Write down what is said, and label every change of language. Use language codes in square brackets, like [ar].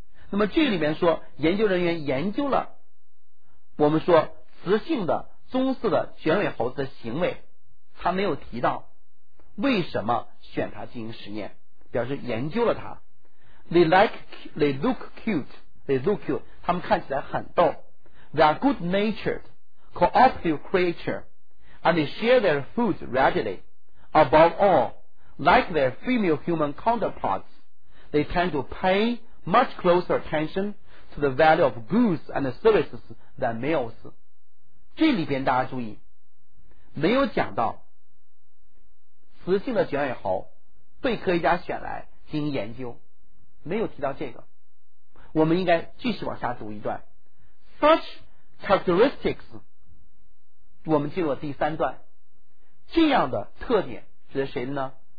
[zh] 那么这里面说研究人员研究了我们说雌性的棕色的卷尾猴子的行为，他没有提到为什么选它进行实验，表示研究了它。 [en] They look cute， [zh] 他们看起来很逗。 [en] They are good natured cooperative creature and they share their food readily. Above all, like their female human counterparts, they tend to pay much closer attention to the value of goods and services than males. [zh] 这里边大家注意，没有讲到雌性的卷尾猴被科学家选来进行研究，没有提到这个。我们应该继续往下读一段。 [en] Such characteristics， [zh] 我们进入了第三段，这样的特点指的谁呢？